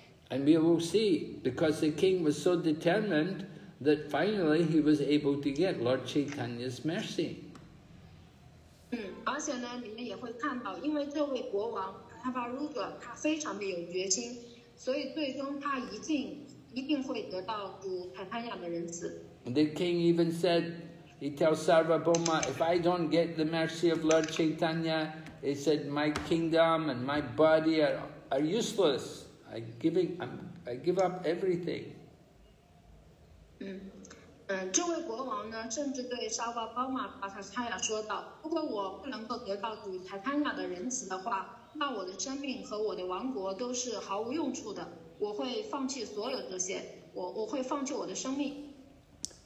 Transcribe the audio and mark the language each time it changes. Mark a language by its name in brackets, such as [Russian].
[English] And we will see, because the king was so determined that finally he was able to get Lord Chaitanya's mercy. [Chinese] 而且呢，你们也会看到，因为这位国王他把如果他非常的有决心，所以最终他一定会得到主坦坦亚的仁慈。 [English] The king even said, he tells Sarvabhauma, if I don't get the mercy of Lord Chaitanya, he said, my kingdom and my body are useless. I give up everything. [Chinese] 这位国王呢，甚至对沙瓦宝马巴塔塔亚说道：“如果我不能够得到主台坦亚的仁慈的话，那我的生命和我的王国都是毫无用处的。我会放弃所有这些，我会放弃我的生命。”